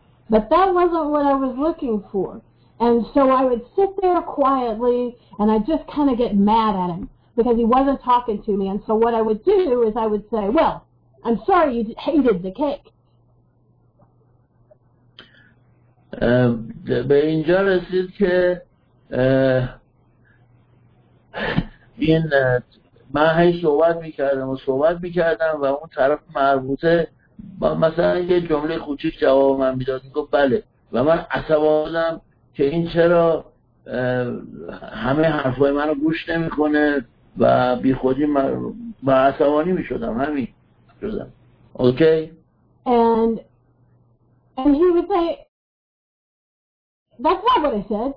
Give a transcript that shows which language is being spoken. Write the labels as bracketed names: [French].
[English] But that wasn't what I was looking for. And so I would sit there quietly and I just kind of get mad at him because he wasn't talking to me. And so what I would do is I would say, well, I'm sorry you hated the cake. [Persian] به اینجا رسید که این من هی صحبت میکردم و اون طرف مربوطه با مثلا یه جمله کوچیک جواب من میداد، میگفت بله، و من عصبانیم که این چرا همه حرفای منو گوش نمیکنه و بی خودی با عصبانی میشدم همین شدم. اوکی؟ [English] And he would say, that's not what I said.